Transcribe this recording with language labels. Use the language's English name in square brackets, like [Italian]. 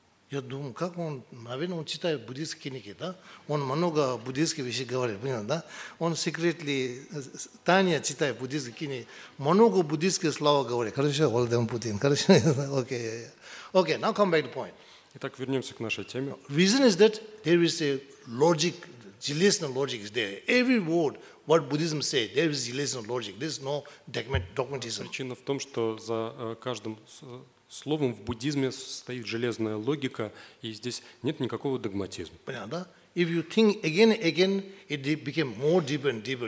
[Russian] Я думаю, как он, наверное, он читает буддийские книги, да? Он много буддийских вещей говорит, понятно, да? Он секретно, Таня читает буддийские книги, много буддийских слов говорит. Хорошо, Владимир Путин, хорошо, окей, [English] now come back to point. [Russian] Итак, вернемся к нашей теме. [English] Reason is that there is a logic, relational logic is there. Every word, what Buddhism say, there is relational logic. There is no dogmatism. [Russian] Причина в том, что за каждым... Словом, в буддизме стоит железная логика, и здесь нет никакого догматизма. Понятно, да? [English] If you think again and again, it became more deeper and deeper.